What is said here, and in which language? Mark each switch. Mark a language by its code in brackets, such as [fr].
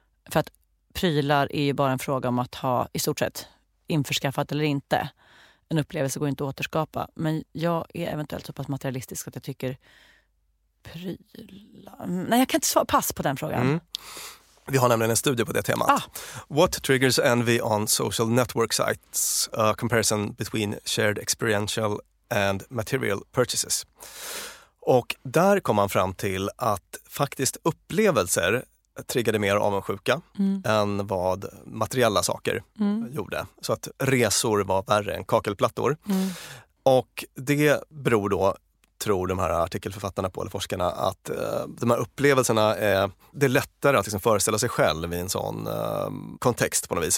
[sv] För att prylar är ju bara en fråga om att ha i stort sett införskaffat eller inte. En upplevelse går inte att återskapa. Men jag är eventuellt så pass materialistisk att jag tycker prylar... Nej, jag kan inte svara pass på den frågan. Mm. Vi har nämligen en studie på det temat. Ah. [en] What triggers envy on social network sites? A comparison between shared experiential and material purchases. [sv] Och där kom man fram till att faktiskt upplevelser triggade mer avundsjuka än vad materiella saker gjorde. Så att resor var värre än kakelplattor. Mm. Och det beror då, tror de här artikelförfattarna på, eller forskarna, att de här upplevelserna är, det är lättare att liksom föreställa sig själv i en sån kontext på något vis.